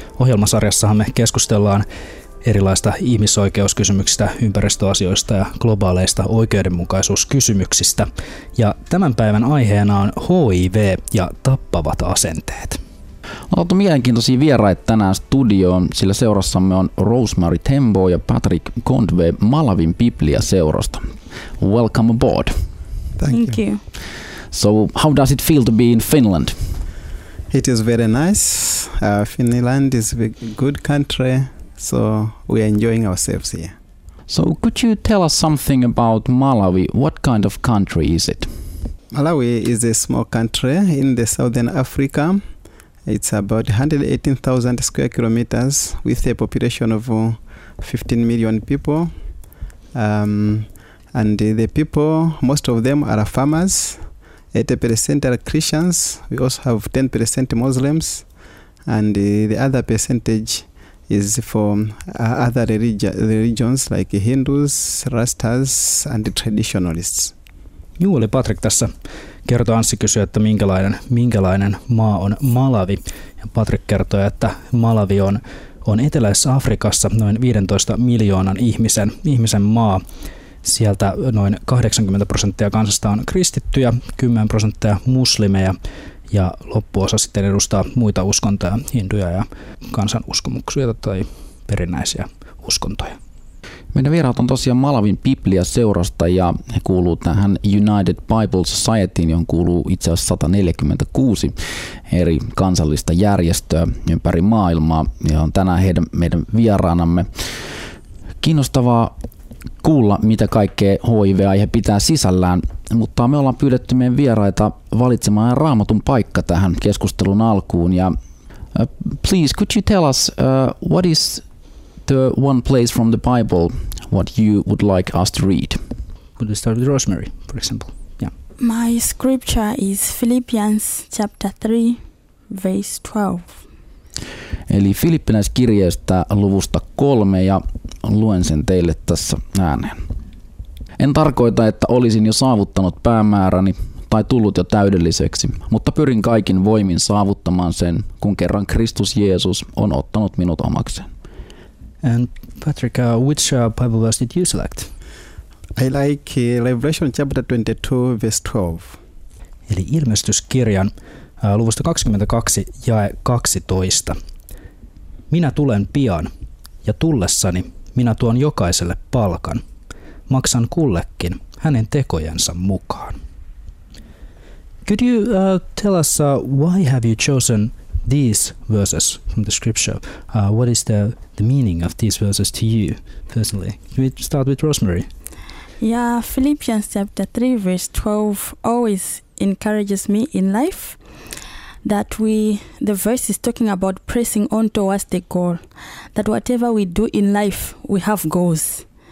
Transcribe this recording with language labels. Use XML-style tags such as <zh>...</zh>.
<fi>Ohjelmasarjassahan me keskustellaan erilaista ihmisoikeuskysymyksistä, ympäristöasioista ja globaaleista oikeudenmukaisuuskysymyksistä. Ja tämän päivän aiheena on HIV ja tappavat asenteet. On oltu mielenkiintoisia vieraita tänään studioon, sillä seurassamme on Rosemary Tembo ja Patrick Kondwe Malawin Biblia-seurasta.</fi> <en>Welcome aboard. Thank you. So, how does it feel to be in Finland? It is very nice. Finland is a good country, so we are enjoying ourselves here. So, could you tell us something about Malawi? What kind of country is it? Malawi is a small country in the southern Africa. It's about 118,000 square kilometers with a population of 15 million people. And the people, most of them are farmers. 80% are Christians. We also have 10% Muslims. And the other percentage is from other religions like Hindus, Rastas, and traditionalists.</en> <fi>Juu, eli Patrick tässä kertoo, Anssi kysyi, että minkälainen maa on Malawi. Ja Patrick kertoi, että Malawi on eteläisessä Afrikassa noin 15 miljoonan ihmisen maa. Sieltä noin 80% kansasta on kristittyjä, 10% muslimeja ja loppuosa sitten edustaa muita uskontoja, hinduja ja kansanuskomuksia tai perinnäisiä uskontoja. Meidän vieraat on tosiaan Malawin Biblia-seurasta ja he kuuluu tähän United Bible Societyin, johon kuuluu itse asiassa 146 eri kansallista järjestöä ympäri maailmaa ja on tänään meidän vieraanamme. Kiinnostavaa kuulla, mitä kaikkea HIV-aihe pitää sisällään, mutta me ollaan pyydetty meidän vieraita valitsemaan Raamatun paikka tähän keskustelun alkuun. Ja,</fi> <en>please, could you tell us what is the one place from the Bible what you would like us to read? Would we start with Rosemary, for example? Yeah. My scripture is Philippians chapter 3, verse 12.</en> <fi>Eli Filippiläiskirjeestä luvusta 3 ja luen sen teille tässä ääneen. En tarkoita, että olisin jo saavuttanut päämääräni tai tullut jo täydelliseksi, mutta pyrin kaikin voimin saavuttamaan sen, kun kerran Kristus Jeesus on ottanut minut omakseen.</fi> <en>And Patrick, which Bible verse did you select? I like Revelation chapter 22, verse 12.</en> <fi>Eli ilmestyskirjan luvusta 22, jae 12. Minä tulen pian, ja tullessani minä tuon jokaiselle palkan. Maksan kullekin hänen tekojensa mukaan.</fi> <en>Could you tell us why have you chosen these verses from the scripture? What is the meaning of these verses to you personally? Can we start with Rosemary? Yeah, Philippians chapter 3 verse 12 always encourages me in life that the verse is talking about pressing on towards the goal, that whatever we do in life, we have goals.</en>